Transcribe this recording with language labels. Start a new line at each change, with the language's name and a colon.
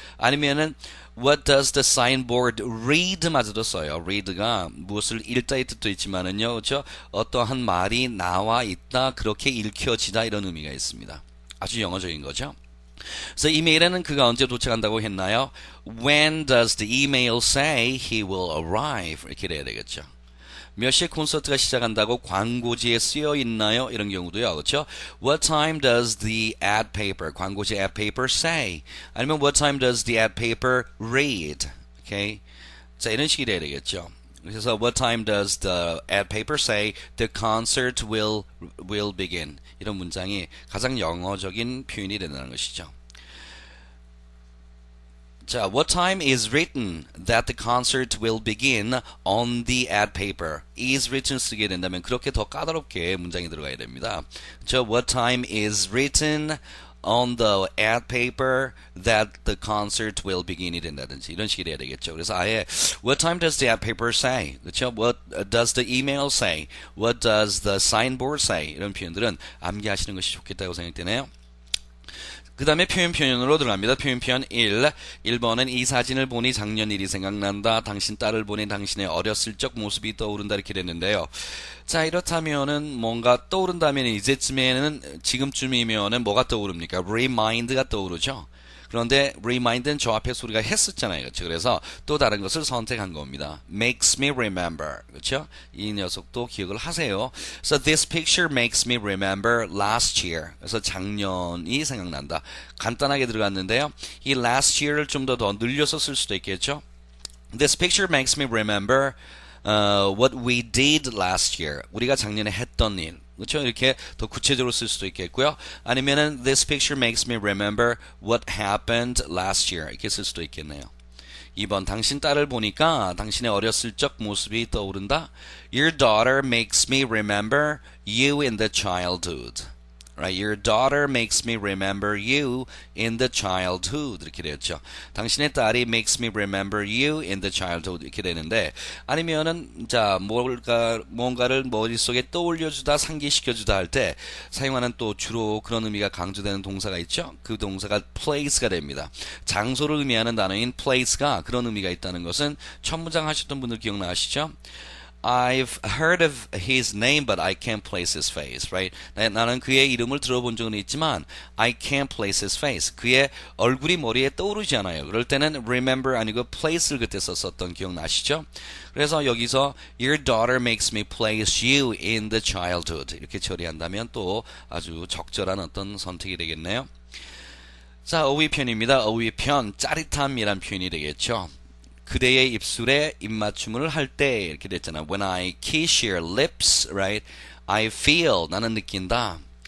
Korean: 아니면은
English: What does the signboard read?
Korean: 마저도 써요. read가 무엇을 읽다의 뜻도 있지만은요. 그렇죠? 어떠한 말이 나와 있다, 그렇게 읽혀지다 이런 의미가 있습니다. 아주 영어적인 거죠. 그래서 이메일에는 그가 언제 도착한다고 했나요?
English: When does the email say he will arrive?
Korean: 이렇게 돼야 되겠죠. 몇 시에 콘서트가 시작한다고 광고지에 쓰여 있나요? 이런 경우도요. 그렇죠?
English: What time does the ad paper,
Korean: 광고지
English: ad paper say? 아니면 what time does the ad paper read? Okay?
Korean: 자, 이런 식이 돼야 되겠죠.
English: So what time does the ad paper say the concert will begin?
Korean: 이런 문장이 가장 영어적인 표현이 된다는 것이죠.
English: 자, what time is written that the concert will begin on the ad paper?
Korean: Is written 쓰게 된다면 그렇게 더 까다롭게 문장이 들어가야 됩니다.
English: 자, what time is written on the ad paper that the concert will begin
Korean: 이랬다든지 이런 식이 돼야 되겠죠. 그래서 아예
English: what time does the ad paper say?
Korean: 그렇죠?
English: What does the email say? What does the signboard say?
Korean: 이런 표현들은 암기하시는 것이 좋겠다고 생각되네요. 그 다음에 표현으로 들어갑니다. 표현 1. 1번은 이 사진을 보니 작년 일이 생각난다. 당신 딸을 보니 당신의 어렸을 적 모습이 떠오른다. 이렇게 됐는데요. 자, 이렇다면은 뭔가 떠오른다면 이제쯤에는 지금쯤이면은 뭐가 떠오릅니까? Remind가 떠오르죠. 그런데 remind는 저 앞에 소리가 했었잖아요. 그렇죠? 그래서 또 다른 것을 선택한 겁니다.
English: Makes me remember.
Korean: 그렇죠? 이 녀석도 기억을 하세요.
English: So this picture makes me remember last year.
Korean: 그래서 작년이 생각난다. 간단하게 들어갔는데요. 이 last year를 좀 더 늘려서 쓸 수도 있겠죠?
English: This picture makes me remember what we did last year.
Korean: 우리가 작년에 했던 일. 그렇죠? 이렇게 더 구체적으로 쓸 수도 있겠고요. 아니면은
English: this picture makes me remember what happened last year.
Korean: 이렇게 쓸 수도 있겠네요. 2번 당신 딸을 보니까 당신의 어렸을 적 모습이 떠오른다.
English: Your daughter makes me remember you in the childhood. Right? Your daughter makes me remember you in the childhood.
Korean: 이렇게 되었죠. 당신의 딸이
English: makes me remember you in the childhood.
Korean: 이렇게 되는데, 아니면은, 자, 뭔가를 머릿속에 떠올려주다, 상기시켜주다 할 때, 사용하는 또 주로 그런 의미가 강조되는 동사가 있죠. 그 동사가 place가 됩니다. 장소를 의미하는 단어인 place가 그런 의미가 있다는 것은, 천문장 하셨던 분들 기억나시죠?
English: I've heard of his name, but I can't place his face, right?
Korean: 나는 그의 이름을 들어본 적은 있지만,
English: I can't place his face.
Korean: 그의 얼굴이 머리에 떠오르지 않아요. 그럴 때는 remember 아니고 place를 그때 썼었던 기억나시죠? 그래서 여기서
English: your daughter makes me place you in the childhood.
Korean: 이렇게 처리한다면 또 아주 적절한 어떤 선택이 되겠네요. 자, 어휘편입니다. 어휘편, 짜릿함이란 표현이 되겠죠. 그대의 입술에 입맞춤을 할 때 이렇게 됐잖아.
English: When I kiss your lips, right? I feel,
Korean: 나는 느낀다.